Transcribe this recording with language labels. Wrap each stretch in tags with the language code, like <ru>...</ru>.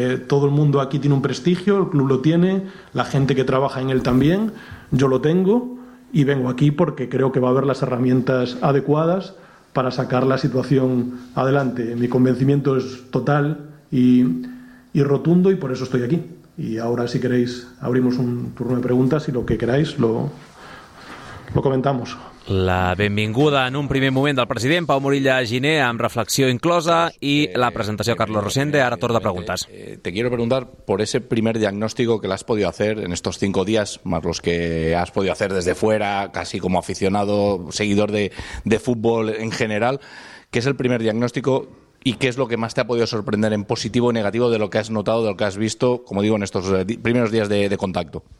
<es>Todo el mundo aquí tiene un prestigio, el club lo tiene, la gente que trabaja en él también, yo lo tengo, y vengo aquí porque creo que va a haber las herramientas adecuadas para sacar la situación adelante. Mi convencimiento es total y rotundo, y por eso estoy aquí. Y ahora, si queréis, abrimos un turno de preguntas y lo que queráis lo comentamos.</es> <ca>La benvinguda en un primer moment del president Pau Morilla Giné, amb reflexió inclosa, i la presentació a Carlos Rosende. Ara torn de preguntes.</ca> <es>Te quiero preguntar por ese primer diagnóstico que has podido hacer en estos 5 días, más los que has podido hacer desde fuera, casi como aficionado, seguidor de fútbol en general. ¿Qué es el primer diagnóstico y qué es lo que más te ha podido sorprender en positivo o negativo de lo que has notado, de lo que has visto, como digo, en estos primeros días de contacto?</es>